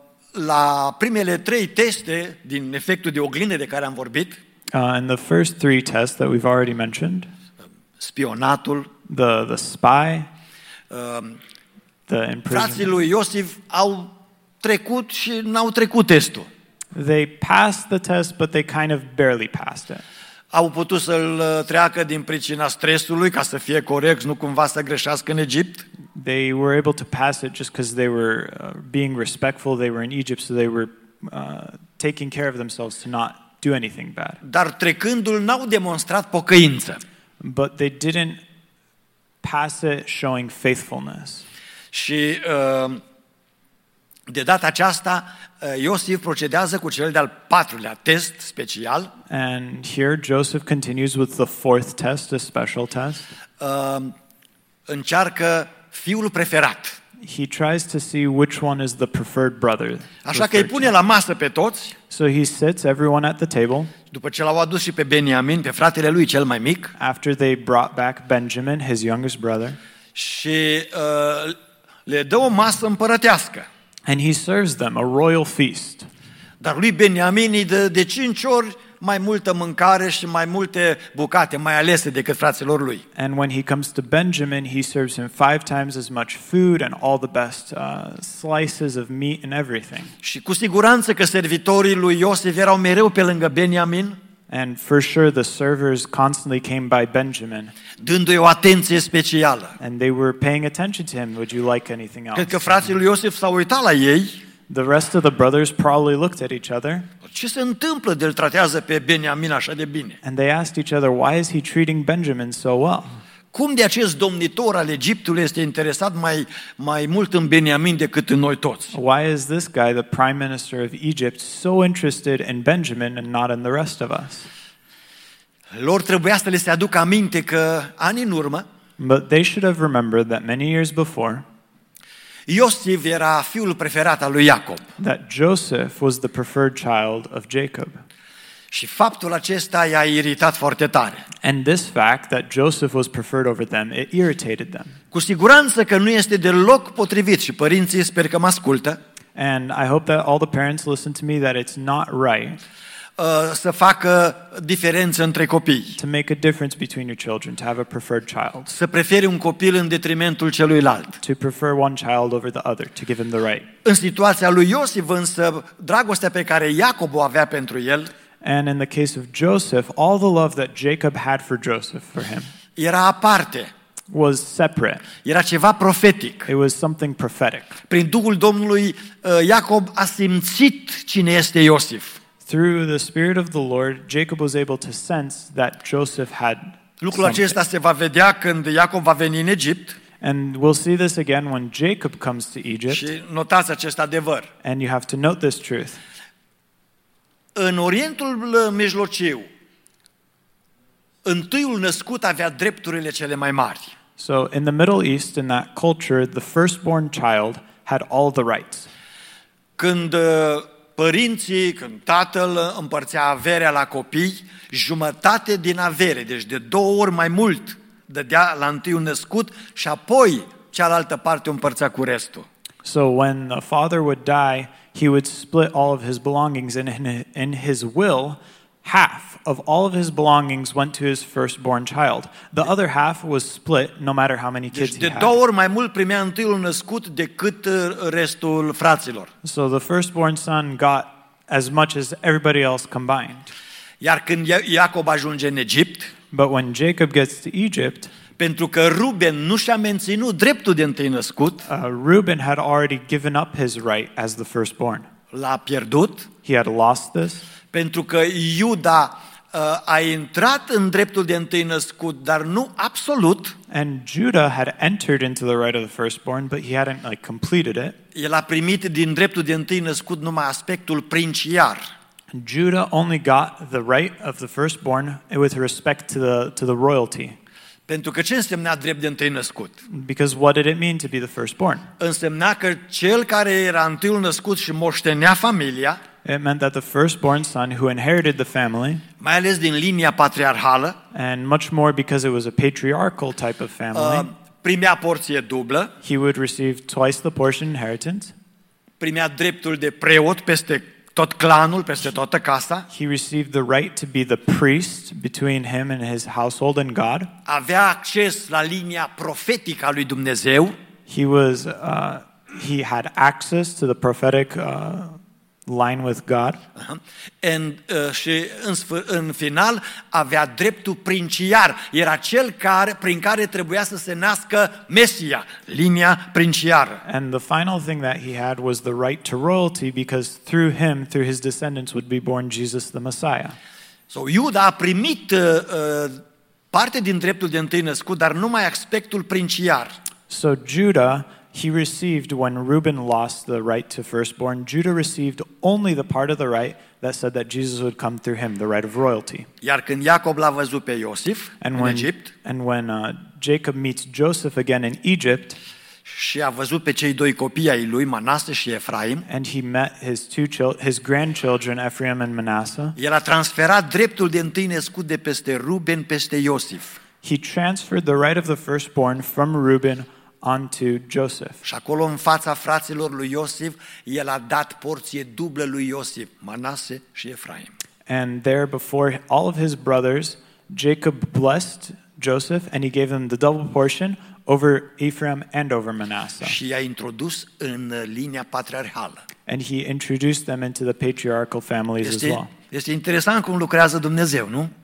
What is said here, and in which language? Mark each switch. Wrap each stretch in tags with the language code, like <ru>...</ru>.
<ro>La primele trei teste din efectul de oglindă de care am vorbit,</ro> <en>in the first three tests that we've already mentioned,</en> <ro>spionatul,</ro> <en>the spy, the imprisonment,</en> <ro>frații lui Iosif au trecut și n-au trecut testul.</ro> <en>They passed the test, but they kind of barely passed it.</en> <ro>Au putut să-l treacă din pricina stresului ca să fie corect, nu cumva să greșească în Egipt.</ro> <en>They were able to pass it just because they were being respectful. They were in Egypt, so they were taking care of themselves to not do anything bad.</en> <ro>Dar trecându-l n-au demonstrat pocăință.</ro> <en>But they didn't pass it showing faithfulness.</en> <ro>Și de data aceasta, Iosif procedează cu cel de-al patrulea test special.</ro> <en>And here Joseph continues with the fourth test, a special test.</en> <ro>Încearcă fiul preferat.</ro> <en>He tries to see which one is the preferred brother.</en> <ro>Așa că îi pune la masă pe toți.</ro> <en>So he sits everyone at the table.</en> <ro>După ce l-au adus și pe Beniamin, pe fratele lui cel mai mic.</ro> <en>After they brought back Benjamin, his youngest brother.</en> <ro>Și le dă o masă împărătească.</ro> <en>And he serves them a royal feast.</en> <ro>Dar lui Beniamin îi dă de 5 ori mai multă mâncare și mai multe bucate mai alese decât fraților lui.</ro> <en>And when he comes to Benjamin, he serves him 5 times as much food and all the best slices of meat and everything.</en> <ro>Și cu siguranță că servitorii lui Iosif erau mereu pe lângă Beniamin.</ro> <en>And for sure the servers constantly came by Benjamin.</en> <ro>Dându-i o atenție specială.</ro> <en>And they were paying attention to him. Would you like anything else?</en> <ro>Cred că fratele lui Iosif s-a uitat la ei.</ro> <en>The rest of the brothers probably looked at each other.</en> <ro>Ce se întâmplă de-l tratează pe Beniamin așa de bine?</ro> <en>And they asked each other, why is he treating Benjamin so well?</en> <ro>Cum de acest domnitor al Egiptului este interesat mai mult în Beniamin decât în noi toți?</ro> <en>Why is this guy, the prime minister of Egypt, so interested in Benjamin and not in the rest of us?</en> <ro>Lor trebuia să le se aducă aminte că ani în urmă,</ro> <en>but they should have remembered that many years before,</en> <ro>Iosif era fiul preferat al lui Iacob.</ro> <en>That Joseph was the preferred child of Jacob.</en> <ro>Și faptul acesta i-a iritat foarte tare.</ro> <en>And this fact that Joseph was preferred over them, it irritated them.</en> <ro>Cu siguranță că nu este deloc potrivit și părinții sper că mă ascultă.</ro> <en>And I hope that all the parents listen to me that it's not right.</en> <ro>Să facă diferență între copii.</ro> <en>To make a difference between your children, to have a preferred child.</en> <ro>Să preferi un copil în detrimentul celuilalt.</ro> <en>To prefer one child over the other, to give him the right.</en> <ro>În situația lui Iosif însă, dragostea pe care Iacob o avea pentru el,</ro> <en>and in the case of Joseph, all the love that Jacob had for Joseph, for him,</en> <ro>era aparte.</ro> <en>Was separate.</en> <ro>Era ceva profetic.</ro> <en>It was something prophetic.</en> <ro>Prin Duhul Domnului, Iacob a simțit cine este Iosif.</ro> <en>Through the Spirit of the Lord, Jacob was able to sense that Joseph had</en> <ro>lucrul acesta se va vedea când Iacob va veni în Egipt.</ro> <en>And we'll see this again when Jacob comes to Egypt.</en> <ro>Și notați acest adevăr.</ro> <en>And you have to note this truth.</en> <ro>În Orientul Mijlociu, întâiul născut avea drepturile cele mai mari.</ro> <en>So in the Middle East, in that culture, the firstborn child had all the rights.</en> <ro>Când părinții, când tatăl împărțea averea la copii, jumătate din avere, deci de două ori mai mult, dădea la întâiul născut și apoi cealaltă parte împărțea cu restul.</ro> <en>So when the father would die, he would split all of his belongings and in his will, half of all of his belongings went to his firstborn child. The other half was split no matter how many kids he had.</en> <ro>Deci de două ori mai mult primea întâiul născut decât restul fraților.</ro> <en>So the firstborn son got as much as everybody else combined.</en> <ro>Iar când Iacob ajunge în Egipt,</ro> <en>but when Jacob gets to Egypt,</en> <ro>pentru că Ruben nu și-a menținut dreptul de întâi născut,</ro> <en>Ruben had already given up his right as the firstborn.</en> <ro>L-a pierdut.</ro> <en>He had lost this.</en> <ro>Pentru că Iuda a intrat în dreptul de întâi născut, dar nu absolut.</ro> <en>And Judah had entered into the right of the firstborn, but he hadn't like completed it.</en> <ro>El a primit din dreptul de întâi născut numai aspectul princiar.</ro> <en>Judah only got the right of the firstborn with respect to the royalty.</en> <ro>Pentru că ce însemna drept de întâi născut?</ro> <en>Because what did it mean to be the firstborn?</en> <ro>Însemna că cel care era întâiul născut și moștenea familia.</ro> <en>It meant that the firstborn son who inherited the family,</en> <ro>mai ales din linia patriarhală,</ro> <en>and much more because it was a patriarchal type of family,</en> <ro>primea porție dublă.</ro> <en>He would receive twice the portion inheritance.</en> <ro>Primea dreptul de preot peste tot clanul, peste toată casa.</ro> <en>He received the right to be the priest between him and his household and God.</en> <ro>Avea acces la linia profetică a lui Dumnezeu.</ro> <en>He was he had access to the prophetic line with God. And</en> <ro>și în final avea dreptul princiar. Era cel care prin care trebuia să se nască Mesia, linia princiară.</ro> <en>And the final thing that he had was the right to royalty because through him, through his descendants would be born Jesus the Messiah. So</en> <ro>Iuda a primit parte din dreptul de întâi născut, dar numai aspectul princiar.</ro> <en>So Judah, he received, when Reuben lost the right to firstborn, Judah received only the part of the right that said that Jesus would come through him, the right of royalty.</en> <ro>Iar când Iacob l-a văzut pe Iosif în Egipt,</ro> <en>and when Jacob meets Joseph again in Egypt,</en> <ro>și a văzut pe cei doi copii ai lui, Manase și Efraim,</ro> <en>and he met his two his grandchildren, Ephraim and Manasseh,</en> <ro>el a transferat dreptul de întâi născut de peste Reuben peste Iosif.</ro> <en>He transferred the right of the firstborn from Reuben onto Joseph.</en> <ro>Și acolo în fața fraților lui Iosif, el a dat porție dublă lui Iosif, Manase și Efraim.</ro> <en>And there before all of his brothers, Jacob blessed Joseph and he gave them the double portion over Ephraim and over Manasseh.</en> <ro>Și i-a introdus în linia patriarhală.</ro> <en>And he introduced them into the patriarchal families as well.</en> <ro>Este interesant cum lucrează Dumnezeu, nu?</ro>